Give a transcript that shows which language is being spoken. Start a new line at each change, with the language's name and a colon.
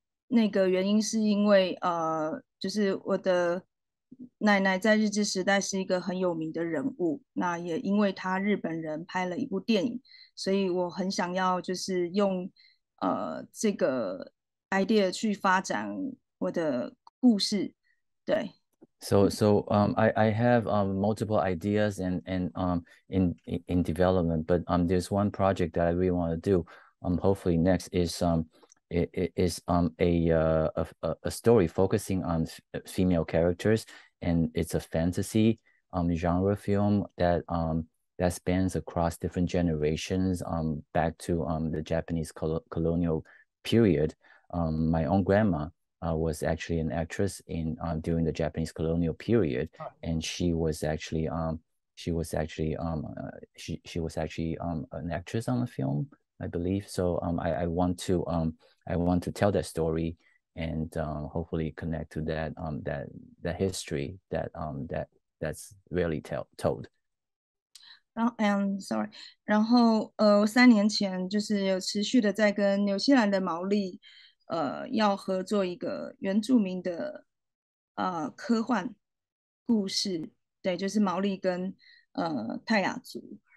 Chinese: 那个原因是因为就是我的奶奶在日治时代是一个很有名的人物，那也因为她日本人拍了一部电影，所以我很想要就是用这个 idea 去发展我的故事，对。
English: So I have multiple ideas in development, but there's one project that I really want to do. Hopefully next is a story focusing on female characters, and it's a fantasy genre film that spans across different generations back to the Japanese colonial period. My own grandma was actually an actress in during the Japanese colonial period, and she was actually an actress on the film, I believe. So I want to tell that story and hopefully connect to that that history that's rarely told. Sorry.
Chinese: 然后三年前就是有持续的在跟纽西兰的毛利。要合作一个原住民的科幻故事，对，就是毛利跟泰雅族。